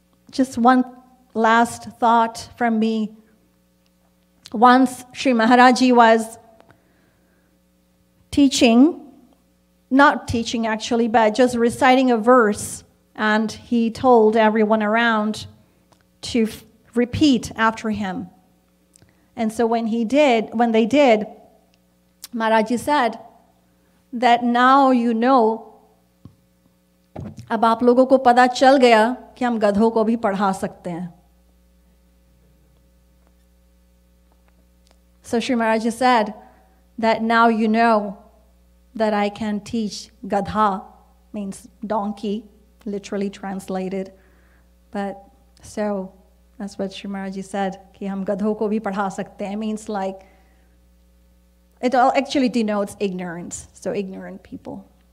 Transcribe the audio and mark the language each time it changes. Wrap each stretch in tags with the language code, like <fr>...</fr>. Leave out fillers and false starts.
<en>Just one last thought from me. Once Shree Maharajji was just reciting a verse, and He told everyone around to repeat after Him. And so when they did, Maharajji said that now you know,</en> <hi>अब आप लोगो को पता चल गया कि हम गधो को भी पढ़ा सकते हैं.</hi> <en>So Shree Maharajji said that now you know that I can teach gadha, means donkey, literally translated. But so that's what Shri Maharajji said,</en> <hi>कि हम गधो को भी पढ़ा सकते हैं,</hi> <en>means like, it all actually denotes ignorance, so ignorant people.</en>